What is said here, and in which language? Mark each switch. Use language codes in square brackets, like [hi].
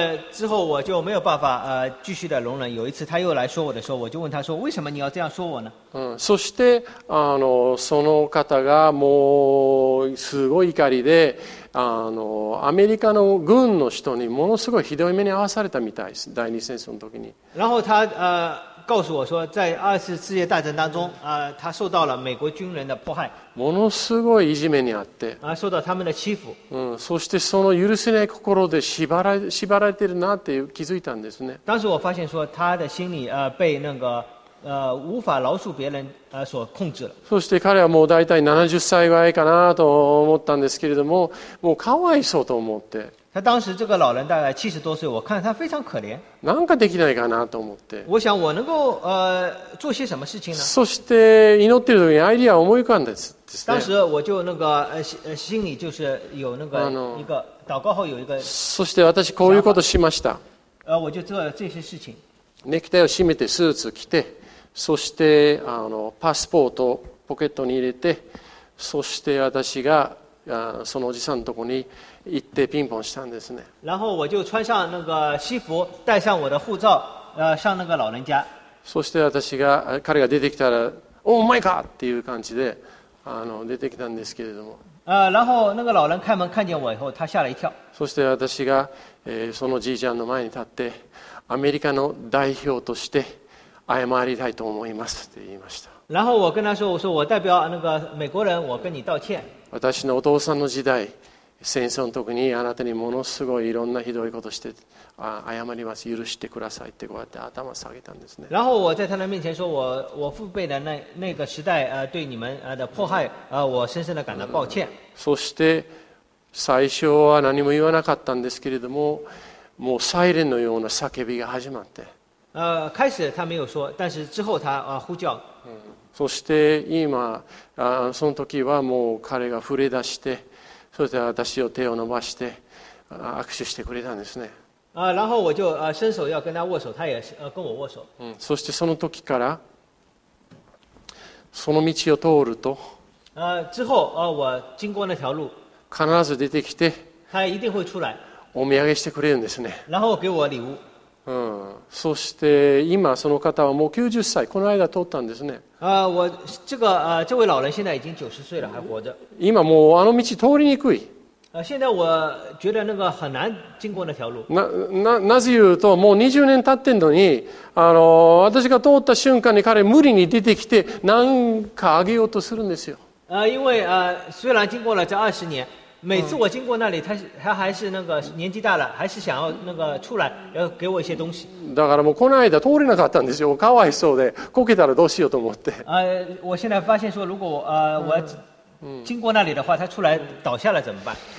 [zh] 之后我就没有办法继续的容忍。有一次他又来说我的时候，我就问他说：“为什么你要这样说我呢？” [ja] そしてその方がもうすごい怒りで、アメリカの軍の人にものすごいひどい目に遭わされたみたいです。第二次戦争の時に。 [zh] 然后他告诉我说，在二次世界大战当中，他受到了美国军人的迫害。 [ja] ものすごいいじめにあって。 [zh] 受到他们的欺负。 [ja] そしてその許せない心で縛られてるなって気づいたんですね。 [zh] 当时我发现说，他的心里被那个无法饶恕别人所控制了。 [ja] そして彼はもう大体70歳ぐらいかなと思ったんですけれども、もうかわいそうと思って。 [zh] 他当时这个老人大概70多岁，我看他非常可怜。 [ja] なんかできないかなと思って。 [zh] 我想我能够做些什么事情呢？ [ja] そして祈っている時にアイディアを思い浮かんだんです。 [zh] 当时我就那个心里就是有那个一个祷告后有一个。 [ja] そして私こういうことしました。 [zh] 我就做了这些事情。 [ja] ネクタイを締めてスーツ着て、そしてパスポートポケットに入れて、そして私がそのおじさんのところに行ってピンポンしたんですね。 [zh] 然后我就穿上那个西服，带上我的护照，上那个老人家。 [ja] そして私が彼が出てきたら、 [en] Oh my God [ja] っていう感じで出てきたんですけれども。 [zh] 然后那个老人开门看见我以后，他吓了一跳。 [ja] そして私が、そのじいちゃんの前に立って、アメリカの代表として謝りたいと思いますって言いました。 [zh] 然后我跟他说，我说我代表那个美国人，我跟你道歉。 [ja] 私のお父さんの時代、戦争の時にあなたにものすごいいろんなひどいことして、謝ります、許してくださいってこうやって頭下げたんですね。 [zh] 然后我在他的面前说，我父辈的那个时代对你们的迫害我深深的感到抱歉。 [ja] そして最初は何も言わなかったんですけれども、もうサイレンのような叫びが始まって、 [zh] 開始他没有说，但是之后他呼叫。 [ja] そして今その時はもう彼が触れ出して、そして私を手を伸ばして握手してくれたんですね。 [zh] 然后我就伸手要跟他握手，他也跟我握手。 [ja] そしてその時からその道を通ると、 [zh] 之后我经过那条路， [ja] 必ず出てきて、 [zh] 他一定会出来， [ja] お土産してくれるんですね。 [zh] 然后给我礼物。 [ja] そして今その方はもう90歳、この間通ったんですね。 [zh] 我这个这位老人现在已经90岁了，还活着。 [ja] 今もうあの道通りにくい。 [zh] 现在我觉得那个很难经过那条路。 [ja] なぜ言うと、もう20年経ってんのに、私が通った瞬間に彼無理に出てきて何かあげようとするんですよ。 [zh] 因为虽然经过了这20年。每次我经过那里，他还是那个年纪大了，还是想要那个出来，要给我一些东西。 [ja] だからもうこの間通れなかったんですよ。かわいそうで、こけたらどうしようと思って。 [zh] 我现在发现说，如果我经过那里的话，他出来倒下了怎么办？